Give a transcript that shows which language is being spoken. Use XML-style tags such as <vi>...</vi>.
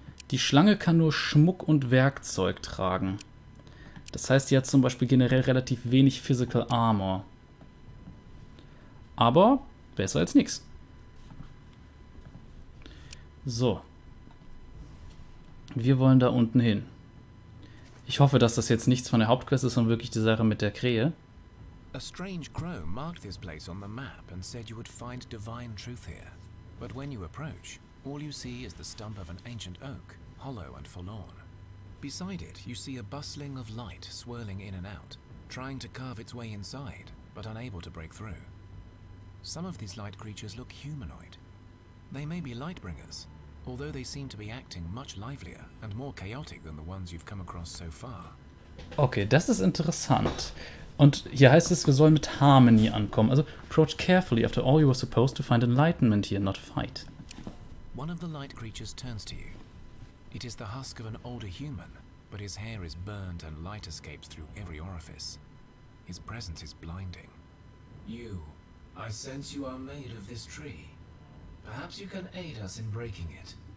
<de>Die Schlange kann nur Schmuck und Werkzeug tragen. Das heißt, sie hat zum Beispiel generell relativ wenig Physical Armor. Aber besser als nichts. So. Wir wollen da unten hin. Ich hoffe, dass das jetzt nichts von der Hauptquest ist, sondern wirklich die Sache mit der Krähe.</de> <en>A strange crow marked this place on the map and said you would find divine truth here. But when you approach, all you see is the stump of an ancient oak, hollow and forlorn. Beside it, you see a bustling of light swirling in and out, trying to carve its way inside, but unable to break through. Some of these light creatures look humanoid. They may be lightbringers, although they seem to be acting much livelier and more chaotic than the ones you've come across so far.</en> <de>Okay, das ist interessant. Und hier heißt es, wir sollen mit Harmony ankommen.</de> <en>Also, approach carefully after all you were supposed to find enlightenment here, not fight. One of the light creatures turns to you. It is the husk of an older human, but his hair is burned and light escapes through every orifice. His presence is blinding. You, I sense you are made of this tree. Perhaps you can aid us in breaking it.</en>